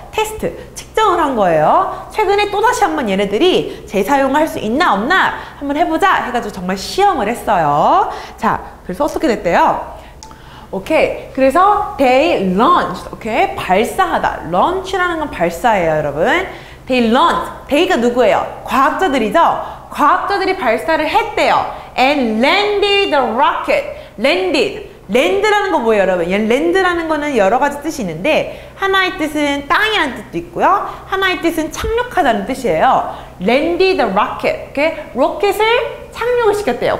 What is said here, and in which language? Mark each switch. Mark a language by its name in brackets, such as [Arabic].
[Korean] 테스트, 측정을 한 거예요. 최근에 또다시 한번 얘네들이 재사용할 수 있나 없나 한번 해보자 해가지고 정말 시험을 했어요. 자, 그래서 어떻게 됐대요? 오케이, 그래서 [English] they launched, [Korean] 오케이, 발사하다. launch라는 건 발사예요, 여러분. [English] they launched, [Korean] they가 누구예요? 과학자들이죠? 과학자들이 발사를 했대요. [English] and landed the rocket, landed. [Korean] 랜드라는 거 뭐예요, 여러분? 랜드라는 거는 여러 가지 뜻이 있는데 하나의 뜻은 땅이라는 뜻도 있고요. 하나의 뜻은 착륙하다는 뜻이에요. [English] Landed the rocket. [Korean] 오케이? 로켓을 착륙을 시켰대요.